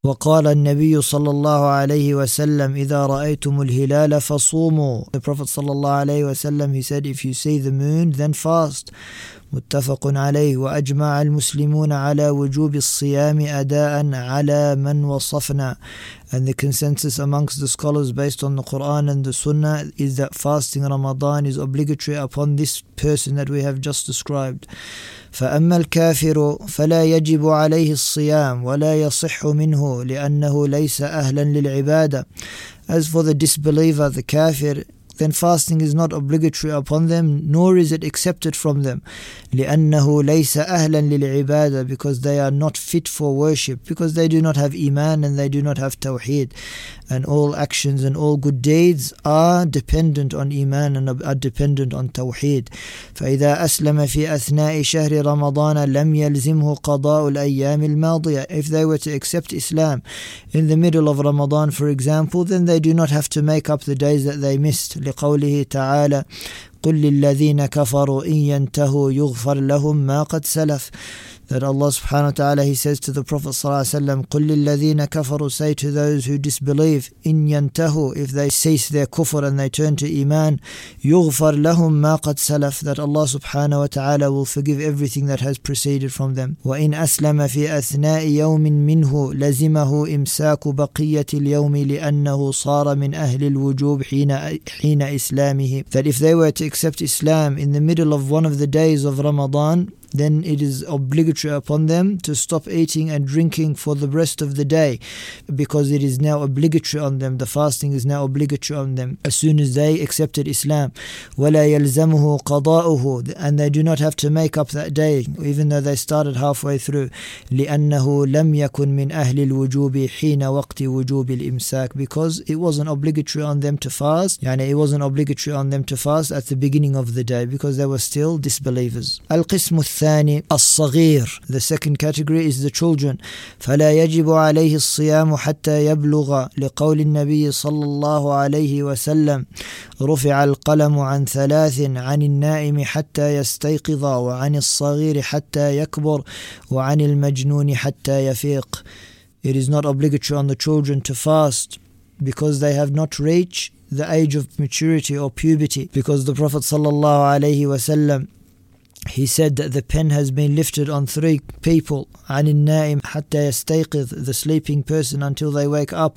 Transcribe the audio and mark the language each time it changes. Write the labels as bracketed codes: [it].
[ar] وَقَالَ النَّبِيُّ صَلَّى اللَّهُ عَلَيْهِ وسلم إذا رأيتم الهلال فصوموا. [en] The Prophet صلى الله عليه وسلم, he said, if you see the moon, then fast. [ar] متفق عليه وأجمع المسلمون على وجوب الصيام أداء على من وصفنا. [en] And the consensus amongst the scholars based on the Quran and the Sunnah is that fasting Ramadan is obligatory upon this person that we have just described. [ar] فأما الكافر فلا يجب عليه الصيام ولا يصح منه لأنه ليس أهلا للعبادة. [en] As for the disbeliever, the kafir, then fasting is not obligatory upon them, nor is it accepted from them. [ar] لِأَنَّهُ لَيْسَ أَهْلًا لِلْعِبَادَةِ, [en] because they are not fit for worship, because they do not have iman and they do not have tawheed. And all actions and all good deeds are dependent on iman and are dependent on tawheed. [ar] فَإِذَا أَسْلَمَ فِي أَثْنَاءِ شَهْرِ رَمَضَانَ لَمْ يَلْزِمْهُ قَضَاءُ الْأَيَّامِ الْمَاضِيَةِ. [en] If they were to accept Islam in the middle of Ramadan, for example, then they do not have to make up the days that they missed. [ar] لقوله تعالى قل للذين كفروا إن ينتهوا يغفر لهم ما قد سلف. [en] That Allah subhanahu wa ta'ala, he says to the Prophet sallallahu alaihi wasallam, [ar] قل للذين كفروا, [en] say to those who disbelieve, [ar] إن ينتهوا, [en] if they cease their kufr and they turn to iman, [ar] يغفر لهم ما قد سلف, [en] that Allah subhanahu wa ta'ala will forgive everything that has proceeded from them. [ar] وإن أسلم في أثناء يوم منه لزمه إمساك بقية اليوم لأنه صار من أهل الوجوب حين إسلامه. [en] That if they were to accept Islam in the middle of one of the days of Ramadan, then it is obligatory upon them to stop eating and drinking for the rest of the day, because it is now obligatory on them. The fasting is now obligatory on them as soon as they accepted Islam. [ar] وَلَا يَلْزَمُهُ قَضَاؤُهُ, [en] and they do not have to make up that day, even though they started halfway through. [ar] لِأَنَّهُ لَمْ يَكُنْ مِنْ أَهْلِ الْوُجُوبِ حِينَ وَقْتِ وُجُوبِ الْإِمْسَاكِ, [en] because it wasn't obligatory on them to fast. Yani it wasn't obligatory on them to fast at the beginning of the day, because they were still disbelievers. [ar] القسم الثاني الصغير, [en] the second category is the children. [ar] فلا يجب عليه الصيام حتى يبلغ لقول النبي صلى الله عليه وسلم رفع القلم عن ثلاث, عن النائم حتى يستيقظ, وعن الصغير حتى يكبر, وعن المجنون حتى يفيق. [en] It is not obligatory on the children to fast because they have not reached the age of maturity or puberty, because the Prophet sallallahu alaihi wasallam, he said that the pen has been lifted on three people. [ar] عَنِ النَّائِمِ حَتَّى يَسْتَيْقِظ, [en] the sleeping person until they wake up.